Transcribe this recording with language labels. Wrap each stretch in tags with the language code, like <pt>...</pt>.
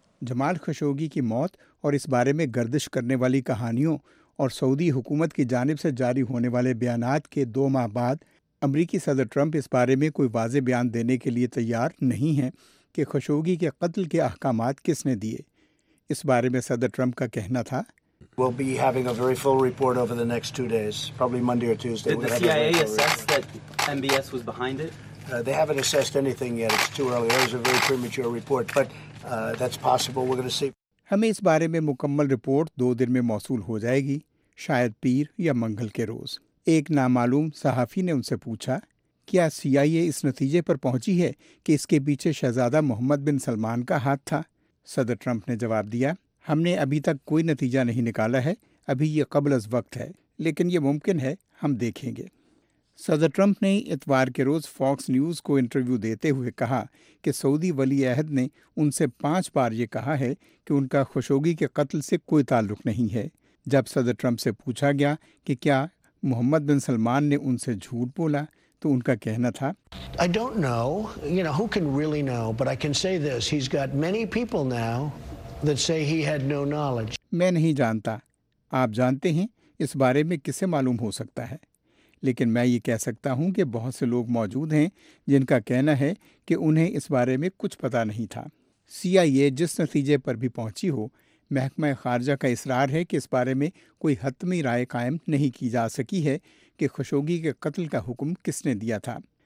<ur>جمال Khashoggi کی موت اور اس بارے میں گردش کرنے والی کہانیوں اور سعودی حکومت کی جانب سے جاری ہونے والے بیانات کے 2 ماہ بعد امریکی صدر ٹرمپ اس بارے میں کوئی واضح بیان دینے کے لیے تیار نہیں ہیں کہ خشوگی کے قتل کے احکامات کس نے دیے. اس بارے میں صدر ٹرمپ کا کہنا تھا,</ur> <en>We'll be having a very full report over the next 2 days, probably Monday or Tuesday. Did the CIA assess that MBS was behind it? They haven't assessed anything yet. It's too early. It was a very premature report, but that's possible. We're going to see.</en> <ur>ہمیں اس بارے میں مکمل report 2 دن میں موصول ہو جائے گی, شاید پیر یا منگل کے روز. ایک نامعلوم صحافی نے ان سے پوچھا, کیا سی آئی اے اس نتیجے پر پہنچی ہے کہ اس کے پیچھے شہزادہ محمد بن سلمان کا ہاتھ تھا؟ صدر ٹرمپ نے جواب دیا, ہم نے ابھی تک کوئی نتیجہ نہیں نکالا ہے, ابھی یہ قبل از وقت ہے, لیکن یہ ممکن ہے, ہم دیکھیں گے. صدر ٹرمپ نے اتوار کے روز فاکس نیوز کو انٹرویو دیتے ہوئے کہا کہ سعودی ولی عہد نے ان سے 5 بار یہ کہا ہے کہ ان کا خشوگی کے قتل سے کوئی تعلق نہیں ہے. جب صدر ٹرمپ سے پوچھا گیا کہ کیا محمد بن سلمان نے ان سے جھوٹ بولا, تو ان کا کہنا تھا,</ur> <en>I don't know, you know, who can really know, but I can say this, he's got many people now that say he had no knowledge.</en> <ur>میں نہیں جانتا, آپ جانتے ہیں, اس بارے میں کسے معلوم ہو سکتا ہے, لیکن میں یہ کہہ سکتا ہوں کہ بہت سے لوگ موجود ہیں جن کا کہنا ہے کہ انہیں اس بارے میں کچھ پتہ نہیں تھا. سی آئی اے جس نتیجے پر بھی پہنچی ہو, محکمہ خارجہ کا اصرار ہے کہ اس بارے میں کوئی حتمی رائے قائم نہیں کی جا سکی ہے کہ خشوگی کے قتل کا حکم کس نے دیا تھا.</ur>